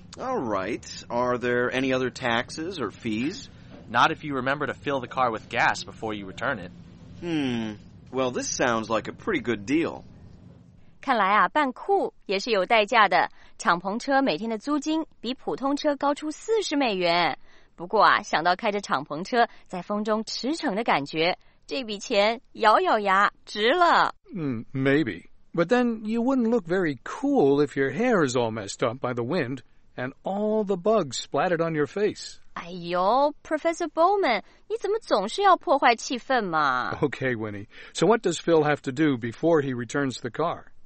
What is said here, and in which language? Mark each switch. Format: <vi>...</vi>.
<en>All right, are there any other taxes or fees? Not if you remember to fill the car with gas before you return it. Well, this sounds like a pretty good deal.</en> <zh>看来啊，办酷也是有代价的。敞篷车每天的租金比普通车高出$40。不过啊，想到开着敞篷车在风中驰骋的感觉，这笔钱咬咬牙值了。</zh> <en>Maybe. But then you wouldn't look very cool if your hair is all messed up by the wind and all the bugs splattered on your face.</en> <zh>哎呦 ,Professor Bowman, 你怎么总是要破坏气氛嘛</zh> <en>?Okay, Winnie. So what does Phil have to do before he returns the car?</en>